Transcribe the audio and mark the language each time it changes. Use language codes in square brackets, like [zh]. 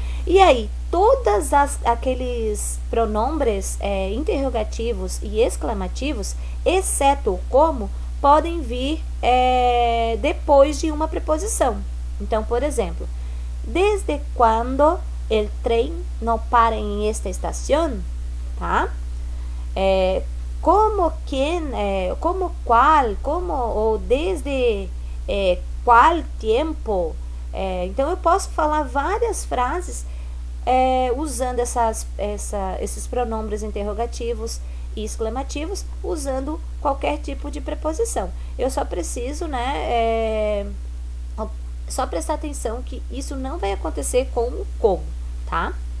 [pt] E aí, todas aqueles pronombres interrogativos e exclamativos, exceto como, podem vir depois de uma preposição. Então, por exemplo, desde quando [es] El tren no para en esta estación, ¿tá? ¿Cómo quién, cómo cuál, cómo o desde cuál tiempo? [pt] Então eu posso falar várias frases usando esses pronomes interrogativos e exclamativos, usando qualquer tipo de preposição. Eu só preciso, né? Só prestar atenção que isso não vai acontecer com o como, tá?